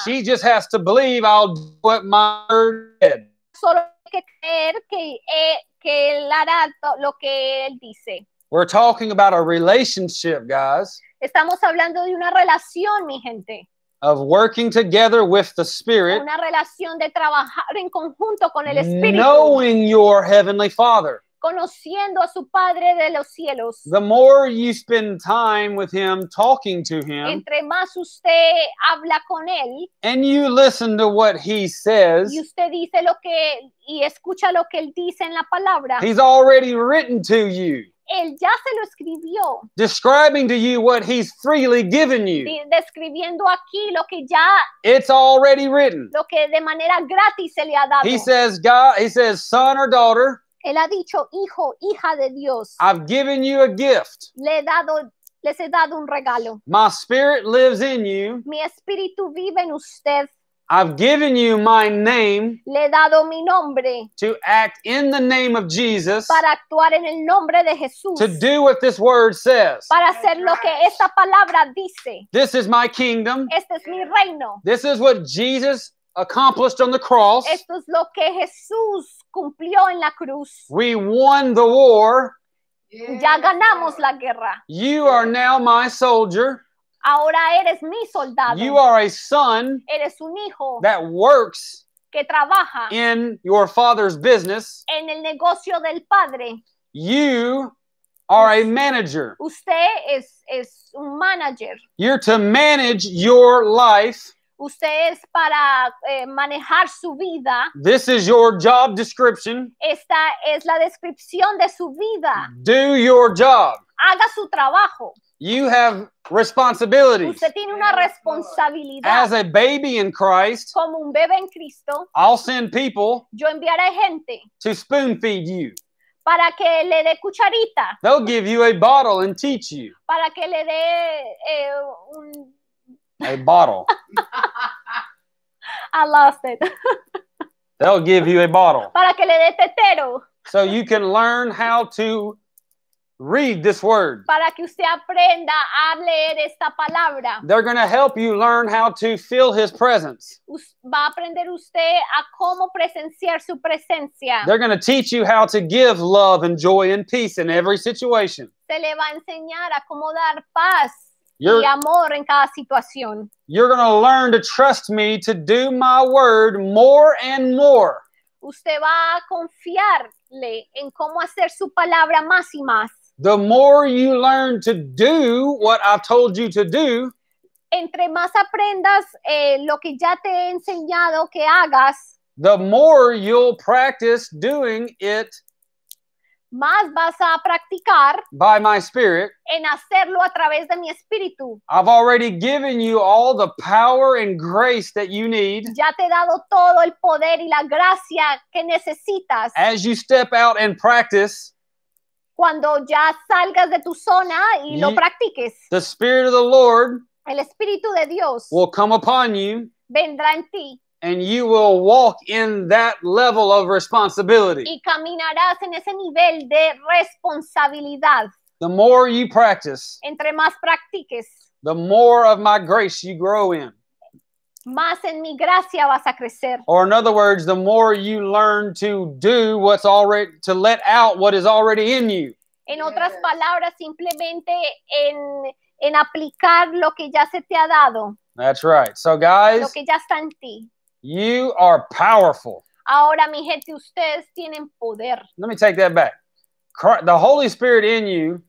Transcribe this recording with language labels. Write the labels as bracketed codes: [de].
[en] She just has to believe I'll do what my word said. [es] Solo hay que creer que él hará lo que él dice. [en] We're talking about a relationship, guys. [es] Estamos hablando de una relación, mi gente. [en] Of working together with the Spirit. [es] Una relación de trabajar en conjunto con el Espíritu. [en] Knowing your Heavenly Father. [es] Conociendo a su Padre de los cielos. [en] The more you spend time with Him, talking to Him. [es] Entre más usted habla con Él. [en] And you listen to what He says. [es] Y usted dice lo que, y escucha lo que Él dice en la palabra. [en] He's already written to you. [es] Él ya se lo escribió. [en] Describing to you what He's freely given you. [es] Describiendo aquí lo que ya. [en] It's already written. [es] Lo que de manera gratis se le ha dado. [en] He says, God, He says, son or daughter. [es] Él ha dicho, hijo, hija de Dios. [en] I've given you a gift. [es] Le he dado Les he dado un regalo. [en] My spirit lives in you. [es] Mi espíritu vive en usted. [en] I've given you my name. [es] Le he dado mi nombre. [en] To act in the name of Jesus. [es] Para actuar en el nombre de Jesús. [en] To do what this word says. [es] Para hacer lo que esta palabra dice. [en] This is my kingdom. [es] Este es mi reino. [en] This is what Jesus accomplished on the cross. [es] Esto es lo que Jesús cumplió en la cruz. [en] We won the war. [es] Ya ganamos la guerra. [en] You are now my soldier. [es] Ahora eres mi soldado. [en] You are a son. [es] Eres un hijo. [en] That works. [es] Que trabaja. [en] In your father's business. [es] En el negocio del padre. [en] You are a manager. [es] Usted es un manager. [en] You're to manage your life. [es] Usted es para manejar su vida. [en] This is your job description. [es] Esta es la descripción de su vida. [en] Do your job. [es] Haga su trabajo. [en] You have responsibilities. [es] Usted tiene una responsabilidad. [en] As a baby in Christ. [es] Como un bebé en Cristo. [en] I'll send people. [es] Yo enviaré gente. [en] To spoon feed you. [es] Para que le dé cucharita. [en] They'll give you a bottle and teach you. [es] Para que le dé un... [en] A bottle. I lost it. They'll give you a bottle. [es] Para que le dé tetero. [en] So you can learn how to read this word. [es] Para que usted aprenda a leer esta palabra. [en] They're going to help you learn how to feel his presence. [es] Va a aprender usted a cómo presenciar su presencia. [en] They're going to teach you how to give love and joy and peace in every situation. [es] Se le va a enseñar a cómo dar paz. Y amor en cada situación. [en] You're going to learn to trust me to do my word more and more. [es] Usted va a confiarle en cómo hacer su palabra más y más. [en] The more you learn to do what I've told you to do. [es] Entre más aprendas lo que ya te he enseñado que hagas. [en] The more you'll practice doing it. [es] Más vas a practicar [en] by my spirit [es] en hacerlo a través de mi espíritu. [en] I've already given you all the power and grace that you need. [es] Ya te he dado todo el poder y la gracia que necesitas. [en] As you step out and practice, [es] cuando ya salgas de tu zona y lo practiques, [en] the spirit of the Lord, [es] el espíritu de Dios, [en] will come upon you, [es] vendrá en ti. [en] And you will walk in that level of responsibility. [es] Y caminarás en ese nivel de responsabilidad. [en] The more you practice. [es] Entre más practiques. [en] The more of my grace you grow in. [es] Más en mi gracia vas a crecer. [en] Or in other words, the more you learn to do what's already, to let out what is already in you. [es] En otras palabras, simplemente en aplicar lo que ya se te ha dado. [en] That's right. So guys. [es] Lo que ya está en ti. [en] You are powerful. [es] Ahora, mi gente, ustedes tienen poder. [en] Let me take that back. The Holy Spirit in you.